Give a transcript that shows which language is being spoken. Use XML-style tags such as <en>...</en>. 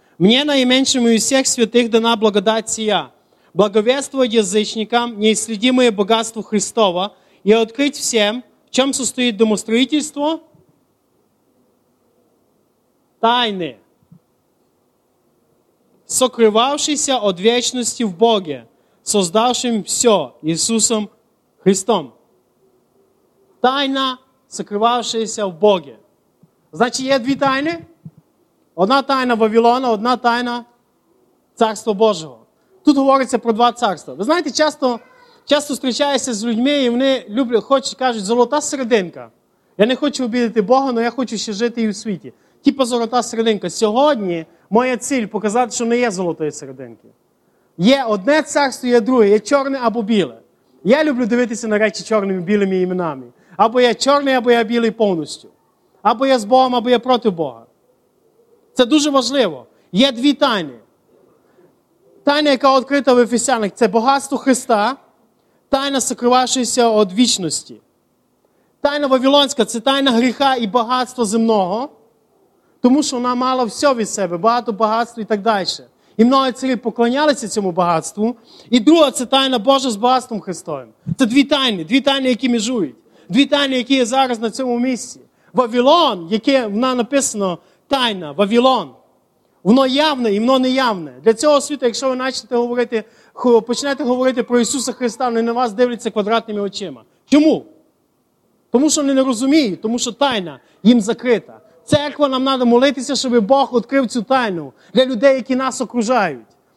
<ru>«Мне, найменшому из всех святых, дана благодать сия, благовествовать язычникам неисследимое богатство Христово и открыть всем, в чем состоит домостроительство тайны, сокрывавшейся от вечности в Боге, создавшим все Иисусом Христом». Тайна, сокрывавшаяся в Боге. Значит, есть 2 тайны? Одна тайна Вавилона, одна тайна Царства Божого.</ru> <uk>Тут говориться про 2 царства. Ви знаєте, часто зустрічаюся з людьми, і вони люблять, хочуть, кажуть, золота серединка. Я не хочу обідати Бога, але я хочу ще жити і в світі. Типа золота серединка. Сьогодні моя ціль – показати, що не є золотої серединки. Є одне царство, є друге. Є чорне або біле. Я люблю дивитися на речі чорними, білими іменами. Або я чорний, або я білий повністю. Або я з Богом, або я проти Бога. Це дуже важливо. Є 2 тайни. Тайна, яка відкрита в Ефесянах, це багатство Христа, тайна, сокривавшаяся від вічності. Тайна Вавилонська – це тайна гріха і багатства земного, тому що вона мала все від себе, багато багатства і так далі. І мною цілі поклонялися цьому багатству. І друга – це тайна Божа з багатством Христовим. Це дві тайни, які межують. Дві тайни, які є зараз на цьому місці. Вавилон, яке в нас написано тайна, Вавилон. Воно явне і воно неявне. Для цього світу, якщо ви почнете говорити, про Ісуса Христа, вони на вас дивляться квадратними очима. Чому? Тому що вони не розуміють, тому що тайна їм закрита. Церква, нам треба молитися, щоб Бог відкрив цю тайну для людей, які нас окружають.</uk>